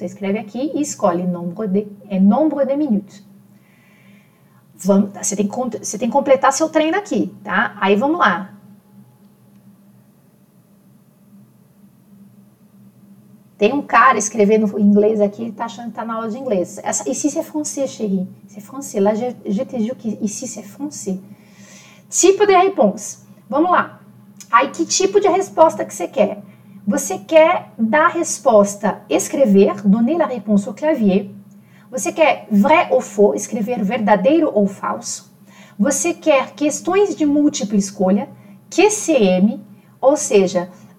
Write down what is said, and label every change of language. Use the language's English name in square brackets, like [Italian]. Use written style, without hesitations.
[Portuguese] Você escreve aqui e escolhe [French] nombre de minutes. [Portuguese] Você tem que completar seu treino aqui, tá? Aí vamos lá. Tem um cara escrevendo em inglês aqui, ele tá achando que tá na aula de inglês. [French] Ici c'est français, chérie. C'est français. Là, je te jure que ici c'est français. [Portuguese] Tipo de réponse. Vamos lá. Aí, que tipo de resposta que você quer? Você quer dar a resposta, escrever, [French] donner la réponse au clavier. [Portuguese] Você quer vrai ou faux, escrever verdadeiro ou falso. Você quer questões de múltipla escolha, QCM, ou seja...